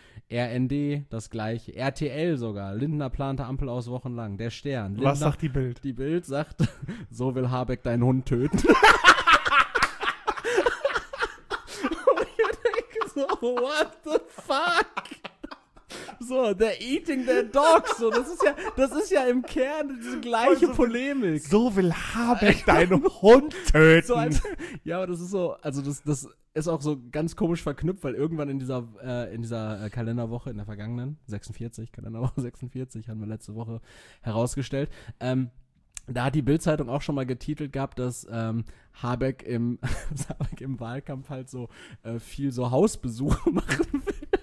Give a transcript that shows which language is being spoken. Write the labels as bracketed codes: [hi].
[de] RND, das gleiche. RTL sogar. Lindner plante Ampel aus wochenlang. Der Stern. Lindner, was sagt die Bild? Die Bild sagt, so will Habeck deinen Hund töten. Und ich denke so, [en] what the fuck? So, they're eating their dogs. [de] So, das ist ja im Kern diese gleiche Polemik. So will Habeck deinen Hund töten. So, ja, aber das ist so, also das ist auch so ganz komisch verknüpft, weil irgendwann in dieser Kalenderwoche, in der vergangenen, 46, Kalenderwoche 46, haben wir letzte Woche herausgestellt, da hat die Bild-Zeitung auch schon mal getitelt gehabt, dass Habeck im Wahlkampf halt so viel so Hausbesuche machen will.